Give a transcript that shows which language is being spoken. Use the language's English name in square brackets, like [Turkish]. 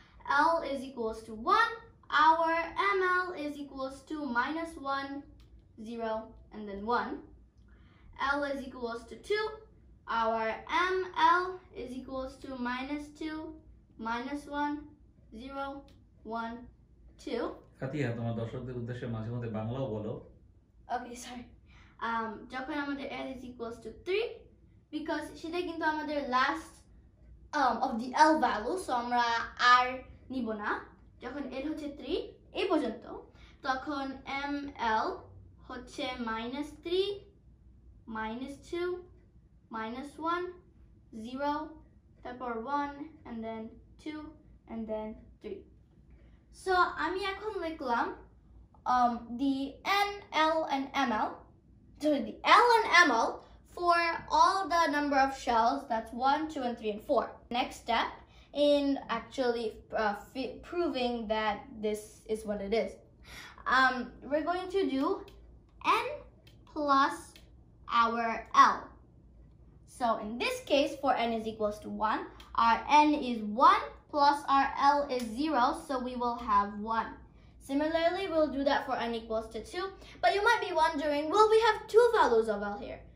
[English] L is equals to one. Our ML is equals to minus one, zero, and then one. L is equals to two. Our ML is equals to minus two, minus one, zero, one, two. [Bangla] Faatiha, তোমার দর্শকদের উদ্দেশ্যে মাঝে মধ্যে বাংলাও বলো. [English] Okay, sorry. [Bangla] যখন আমাদের [English] L is equals to three, because [Bangla] সেটা কিন্তু আমাদের [English] last of the L value, so [Bangla] আমরা R নিব না. যখন এল হচ্ছে থ্রি এই পর্যন্ত তখন এম এল হচ্ছে minus three minus two minus one zero তারপর one and then two and then three so আমি এখন লিখলাম [English] The N L and M L the L and M L for all the number of shells that's one two and three and four next step in actually proving that this is what it is. We're going to do N plus our L. So in this case, for N is equals to one, our N is one plus our L is zero, so we will have one. Similarly, we'll do that for N equals to two, but you might be wondering, well, we have two values of L here.